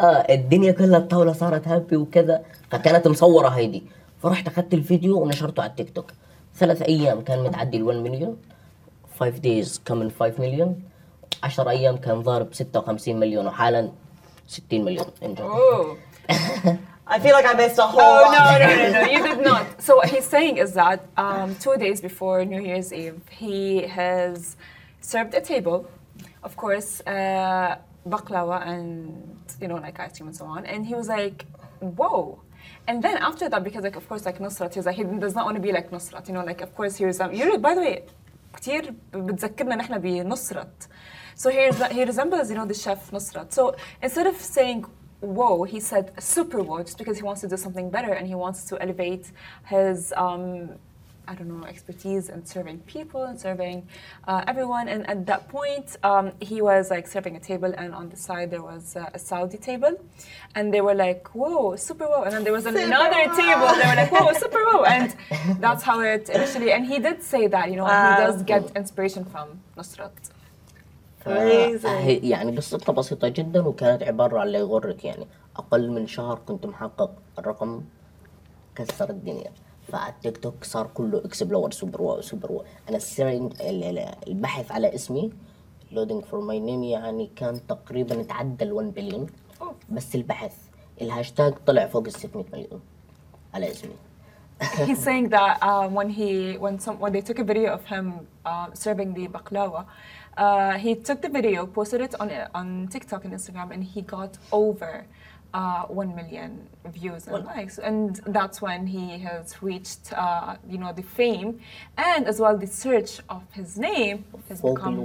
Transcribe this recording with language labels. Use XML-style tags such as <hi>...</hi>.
<ar>الدنيا كلها الطاولة صارت هابي وكذا فكانت مصورة هيدي فرحت اخذت الفيديو ونشرته على التيك توك 3 ايام كان متعدي 1 مليون</ar> <en>5 days coming</en> <ar>5 مليون 10 ايام كان ضارب 56 مليون وحالا 60 مليون انجل</ar> <en>I feel like I missed a whole lot. No, you did not. So what he's saying is that 2 days before New Year's Eve, he has served a table, of course, baklava and, you know, like ice cream and so on. And he was like, whoa. And then after that, because like of course like Nusrat, he's like, he does not want to be like Nusrat, you know, like of course he resembles, you know, by the way,</en> <ar>كتير بتذكرنا نحن بنصرت.</ar> <en>So he resembles, you know, the chef Nusrat. So instead of saying whoa, he said super whoa, just because he wants to do something better and he wants to elevate his, I don't know, expertise in serving people and serving everyone. And at that point, he was like serving a table, and on the side there was a Saudi table, and they were like, whoa, super whoa. And then there was another table. They were like, whoa, super whoa. And that's how it initially, and he did say that, you know, he does get inspiration from Nusrat.</en> <ar>يعني قصتنا بسيطة جدا وكانت عبارة عن اللي يغرك يعني أقل من شهر كنت محقق الرقم كسر الدنيا فالتيك توك صار كله اكسبلور سوبر واو سوبر واو أنا السيرين البحث على اسمي لودينج فور ماي نيم يعني كان تقريبا اتعدى ال 1 بليون بس البحث الهاشتاج طلع فوق ال 600 مليون على اسمي.</ar> <en>He's saying that when they took a video of him serving the baklava, he took the video, posted it on TikTok and Instagram, and he got over 1 million views and likes. And that's when he has reached you know, the fame, and as well the search of his name has become</en>